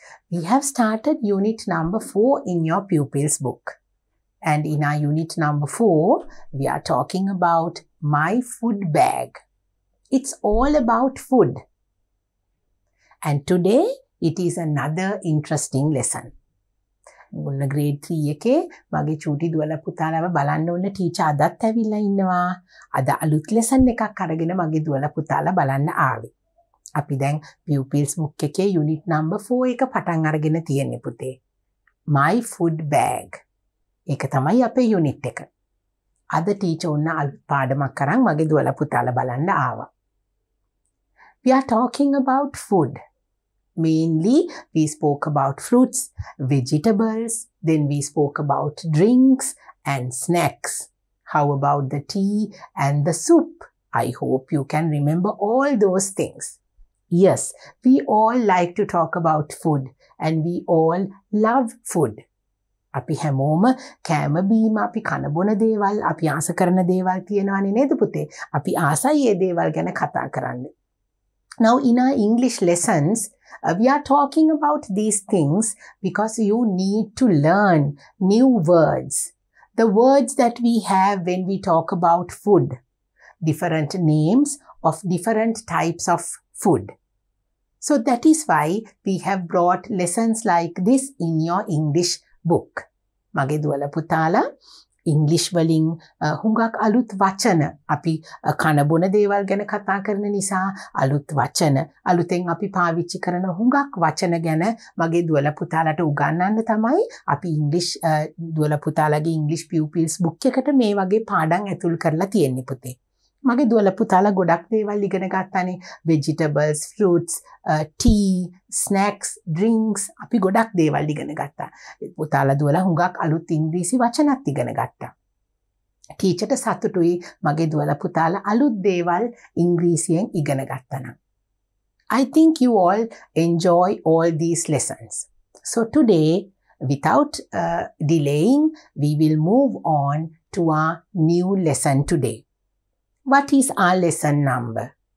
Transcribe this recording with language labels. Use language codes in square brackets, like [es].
[en] We have started unit number 4 in your pupil's book. And in our unit number 4, we are talking about my food bag. It's all about food. And today, it is another interesting lesson. [si] ඔන්න grade 3 එකේ මගේ චූටි දුවල පුතාලව බලන්න ඔන්න teacher අදත් ඇවිල්ලා ඉන්නවා. අද අලුත් ලෙසන් එකක් අරගෙන මගේ දුවල පුතාලා බලන්න ආවේ. අපි දැන් pupils book එකේ unit number 4 එක පටන් අරගෙන තියෙන්නේ පුතේ. [en] My food bag. [si] ඒක තමයි අපේ unit එක. අද ටීචර් ඔන්න අලුත් පාඩමක් අරන් මගේ දුවල පුතාලා බලන්න ආවා. [en] We are talking about food. Mainly, we spoke about fruits, vegetables, then we spoke about drinks and snacks. How about the tea and the soup? I hope you can remember all those things. Yes, we all like to talk about food and we all love food. [si] අපි හැමෝම කෑම බීම අපි කන බොන දේවල් අපි ආස කරන දේවල් තියෙනවනේ නේද පුතේ? අපි ආසයි ඒ දේවල් ගැන කතා කරන්න. [en] Now, in our English lessons, we are talking about these things because you need to learn new words. The words that we have when we talk about food. Different names of different types of food. So, that is why we have brought lessons like this in your English book. [si] Mage duwala putala. English වලින් හුඟක් අලුත් වචන අපි කන බොන දේවල් ගැන කතා කරන නිසා අලුත් වචන අලුතෙන් අපි පාවිච්චි කරන හුඟක් වචන ගැන මගේ දුවල පුතාලට උගන්වන්න තමයි අපි English දුවල පුතාලගේ English pupils book එකට මේ වගේ පාඩම් ඇතුල් කරලා තියෙන්නේ පුතේ. මගේ දුවල පුතාලා ගොඩක් දේවල් ඉගෙන ගන්නනේ vegetables, fruits, tea, snacks, drinks අපි ගොඩක් දේවල් ඉගෙන ගත්තා. පුතාලා දුවල හුඟක් අලුත් ඉංග්‍රීසි වචනත් ඉගෙන ගත්තා. ටීචර්ට සතුටුයි මගේ දුවල පුතාලා අලුත් දේවල් ඉංග්‍රීසියෙන් ඉගෙන ගත්තා නම්. [en] I think you all enjoy all these lessons. So today, without delaying, we will move on to our new lesson today. What is our lesson number?